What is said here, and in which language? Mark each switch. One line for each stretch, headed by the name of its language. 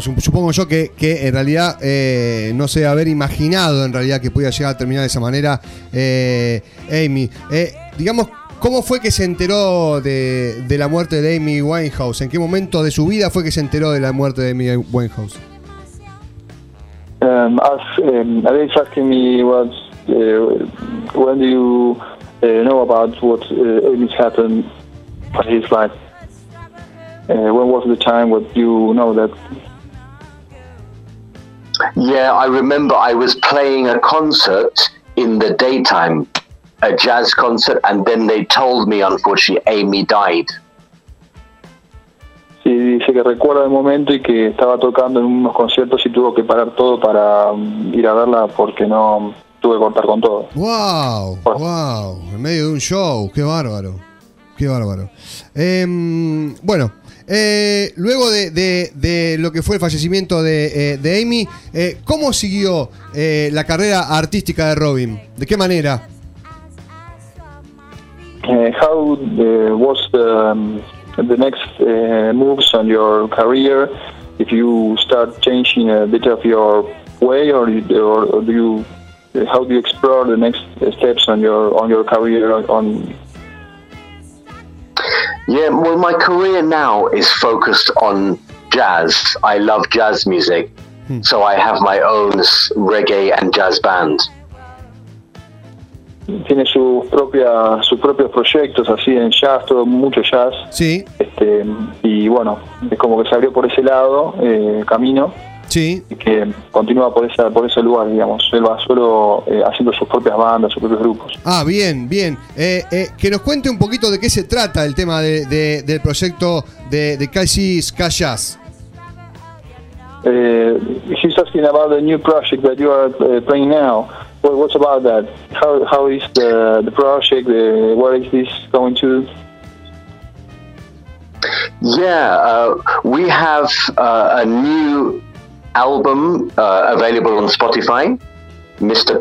Spanish: Supongo yo que en realidad no sé haber imaginado en realidad que podía llegar a terminar de esa manera, Amy. Digamos, ¿cómo fue que se enteró de la muerte de Amy Winehouse? ¿En qué momento de su vida fue que se enteró de la muerte de Amy Winehouse?
English: As asking me what when do you know about what Amy's happened for his life? When was the time when you know that? Yeah, I remember I was playing a concert in the daytime, a jazz concert, and then they told me, unfortunately, Amy died.
Spanish: Sí, dice que recuerda el momento y que estaba tocando en unos conciertos y tuvo que parar todo para ir a verla porque no tuve que cortar con todo. Wow, bueno. Wow, en medio de un show, qué bárbaro, qué bárbaro. Bueno. Luego de lo que fue el fallecimiento de Amy, ¿cómo siguió la carrera artística de Robin? ¿De qué manera?
English: How was the next moves on your career? If you start changing a bit of your way, or do you, how do you explore the next steps on your career on? Yeah, well, my career now is focused on jazz. I love jazz music, so I have my own reggae and jazz band.
Spanish: Tiene su propio proyecto, así en jazz, todo mucho jazz. Sí. Y bueno, es como que se abrió por ese lado, camino. Sí. Y que continúa por ese lugar, digamos. Él va solo haciendo sus propias bandas, sus propios grupos. Ah, bien, bien. Que nos cuente un poquito de qué se trata el tema del proyecto de Casey's Ska Jazz.
English: He's asking about the new project that you are playing now. What's about that? How is the project? Where is this going to? Yeah, we have a new album available on Spotify, Mr.